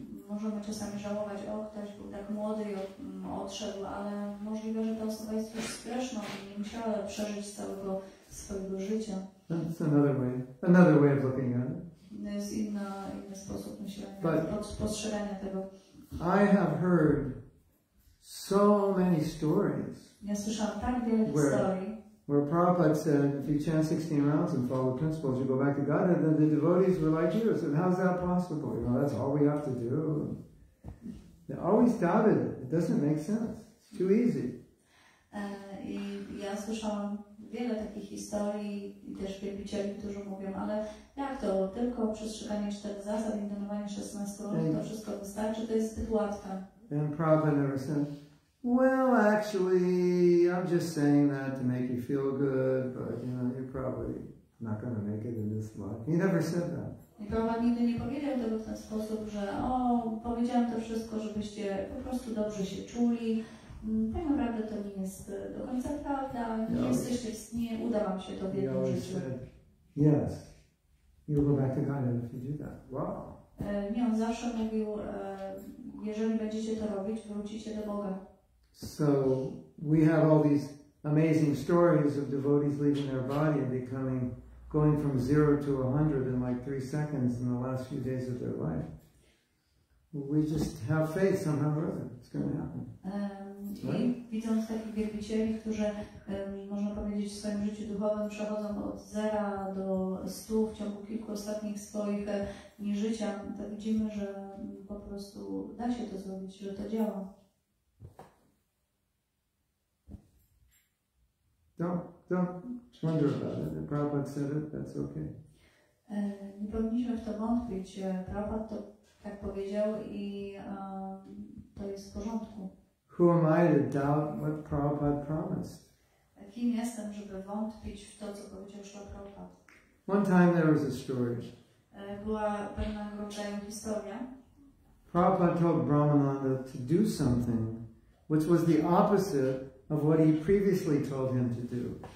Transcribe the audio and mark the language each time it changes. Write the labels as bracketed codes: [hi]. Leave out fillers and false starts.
[pl] Możemy czasami żałować, o, ktoś był tak młody i odszedł, ale możliwe, że ta osoba jest już z Krishna i nie musiała przeżyć całego swojego życia. [en] That's another way of looking at it. [pl] To jest inny sposób myślenia, postrzegania tego. [en] I have heard so many stories. [pl] Ja słyszałam tak wiele historii. [en] Where Prabhupada said, if you chant 16 rounds and follow the principles, you go back to God, and then the devotees were like you. I said, how's that possible? You know, that's all we have to do. They always doubted it. It doesn't make sense. It's too easy. [pl] I ja słyszałam wiele takich historii i też wielbicieli, którzy mówią, ale jak to, tylko przestrzeganie czterech zasad, intonowanie 16 rund, to wszystko wystarczy, to jest zbyt łatwe. [en] And Prabhupada never said, well, actually, I'm just saying that to make you feel good, but you know, you're probably not going to make it in this life. He never said that. [pl] I Prabhupada nigdy nie powiedział tego w ten sposób, że o, powiedziałem to wszystko, żebyście po prostu dobrze się czuli. Tak naprawdę to nie jest do końca prawda. Nie jesteście, nie uda wam się to w jednym życiu. [en] Yes, you'll go back to God if you do that. Wow. [pl] Nie, on zawsze mówił, jeżeli będziecie to robić, wrócicie do Boga. [en] So we have all these amazing stories of devotees leaving their body and becoming going from 0 to 100 in like 3 seconds in the last few days of their life. We just have faith somehow or other. It's going to happen. [pl] Widząc takich wielbicieli, którzy można powiedzieć w swoim życiu duchowym przechodzą od 0 do 100 w ciągu kilku ostatnich swoich dni życia, to widzimy, że po prostu da się to zrobić, że to działa. [en] Don't wonder about it. Prabhupada said it, that's okay. [pl] Nie powinniśmy w to wątpić. Prabhupada to tak powiedział i to jest w porządku. [en] Who am I to doubt what Prabhupada promised? [pl] Kim jestem, żeby wątpić w to, co powiedział Śla Prabhupada? [en] One time there was a story. [pl] Była pewna rodzaju historia. [en] Prabhupada told Brahmananda to do something which was the opposite of what he previously told him to do.